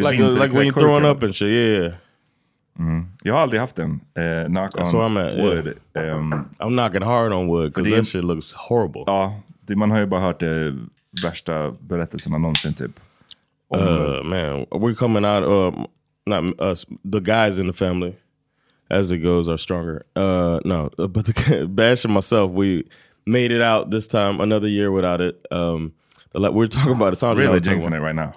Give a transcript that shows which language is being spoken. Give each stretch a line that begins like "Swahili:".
English: like when you're throwing up and shit, yeah.
Swedish: Jag har aldrig haft den. Knock
English: that's on where I'm at, wood. Yeah. I'm knocking hard on wood, because that shit looks horrible.
Swedish: Ja, man har ju bara hört värsta berättelserna någonsin, typ.
English: Man, we're coming out, not us, the guys in the family, as it goes, are stronger. Bash and myself, we made it out this time, another year without it. We're talking about it. Sandra really jinxing it right now.